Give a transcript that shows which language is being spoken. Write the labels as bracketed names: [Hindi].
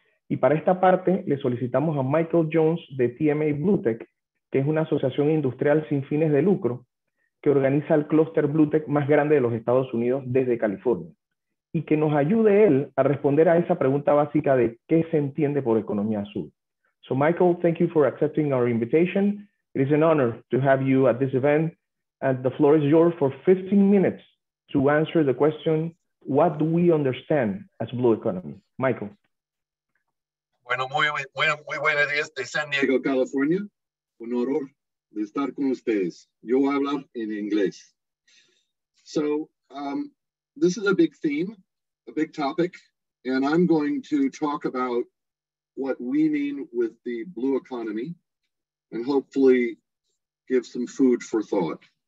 [Spanish] Y para esta parte le solicitamos a Michael Jones de TMA Bluetech, que es una asociación industrial sin fines de lucro que organiza el clúster Bluetech más grande de los Estados Unidos desde California, y que nos ayude él a responder a esa pregunta básica de qué se entiende por Economía Azul. [English] So Michael, thank you for accepting our invitation. It is an honor to have you at this event, and the floor is yours for 15 minutes to answer the question, what do we understand as blue economy? Michael. [Spanish] Bueno, muy buenos días de San Diego, California. Un honor de estar con ustedes. Yo voy a hablar en inglés. [English] So this is a big theme, a big topic, and I'm going to talk about what we mean with the blue economy and hopefully give some food for thought.